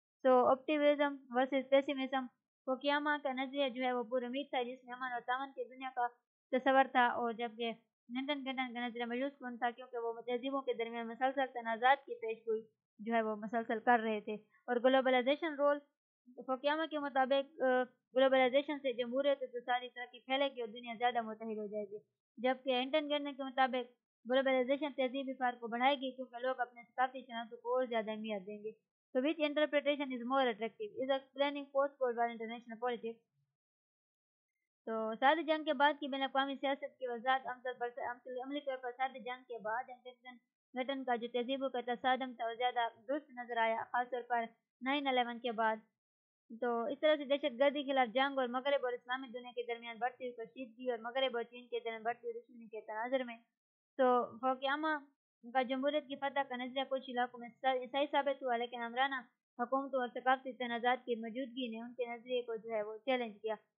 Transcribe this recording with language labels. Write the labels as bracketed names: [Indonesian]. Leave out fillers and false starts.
[English] so optimism versus pessimism [Urdu] فوکیاما کا نظریہ جو ہے وہ پر امید تھا جس میں امن اور تعاون کی دنیا کا تصور تھا, اور جبکہ ہنٹن گٹن کا نظریہ مایوس کن تھا کیونکہ وہ تہذیبوں کے درمیان مسلسل تنازعات کی پیش گوئی جو ہے وہ مسلسل کر رہے تھے. اور گلوبلائزیشن رول فوکیاما کے مطابق گلوبلائزیشن سے جمہوریت اقتصادی ترقی پھیلے گی اور دنیا زیادہ متحد ہو جائے گی, جبکہ ہنٹن گٹن کے مطابق گلوبلائزیشن تہذیبی فرق کو بڑھائے گی کیونکہ لوگ اپنے ثقافتی شناختوں کو اور زیادہ اہمیت دیں گے. [English] تو which interpretation is more attractive is explaining post cold war international politics. [Urdu] تو ساد جنگ کے بعد کی بین الاقوامی سیاست کی وضاحت عملی طور پر ساد جنگ کے بعد ہنٹن گٹن کا جو تہذیبوں کا تصادم تھا وہ زیادہ درست نظر آیا خاص طور پر 9/11 کے بعد. تو اس طرح سے دہشت گردی خلاف جنگ اور مغرب اور اسلامی دنیا کے درمیان بڑھتی ہوئی کشیدگی اور مغرب اور چین کے درمیان بڑھتی ہوئی دشمنی کے تناظر میں تو فوکیاما کا جمہوریت کی فتح کا نظریہ کچھ علاقوں میں صحیح ثابت ہوا, لیکن عمرانہ حکومتوں اور ثقافتی تنازعات کی موجودگی نے ان کے نظریے کو جو ہے وہ چیلنج کیا.